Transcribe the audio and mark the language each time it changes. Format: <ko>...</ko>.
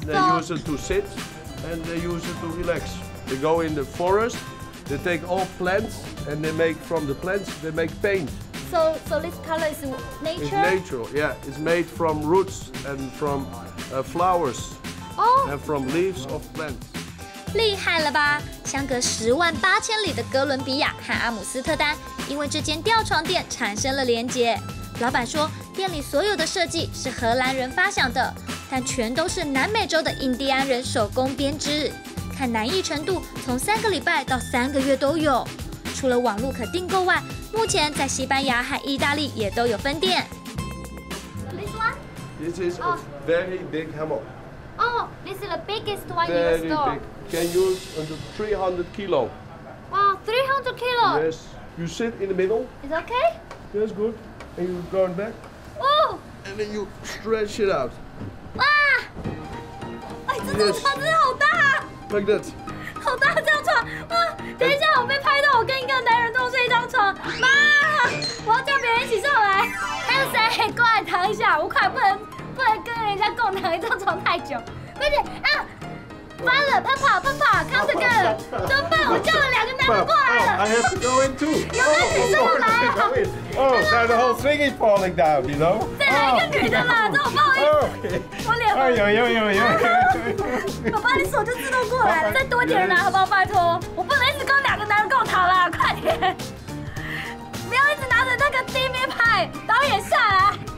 <en>they use it to sit and they use it to relax. They go in the forest, they take all plants and they make from the plants, they make paint. So this color is nature? It's natural, yeah. It's made from roots and from flowers and from leaves of plants.</en> <zh>厉害了吧？相隔18000里的哥伦比亚和阿姆斯特丹，因为这间吊床店产生了连结。老板说，店里所有的设计是荷兰人发想的，但全都是南美洲的印第安人手工编织，看难易程度，从3个礼拜到3个月都有。除了网络可订购外，目前在西班牙和意大利也都有分店。</zh> <en>This is a very big hammock. Oh, this is the biggest one in the store. Very big. Can use under 300 kilo. Wow, 300 kilo. Yes. You sit in the middle. It's okay? Yes, good. And you turn back. Oh. And then you stretch it out.</en> <zh>Wow. 哎，这种床真的好大。</zh> <en>Like that.</en> <zh>好大这张床啊！等一下，我被拍到，我跟一个男人都睡一张床。妈，我要叫别人一起上来。还有谁？过来躺一下，我快不能跟人家共躺一张床太久。快点啊！翻了，跑，康斯哥，怎么办？我叫了两个男人过来了。</zh> <en>I have to go in too.</en> <zh>有没有女的来啊？</zh> <en>Oh, now the whole thing is falling down, you know.</en> <zh>再来一个女的啦，这么不好意思。我脸红。哎呦！我把你手就自动过来了，再多点人来好不好？拜托，我不能一直跟两个男人共逃啦，快点！不要一直拿着那个 DV 拍，导演下来，</zh>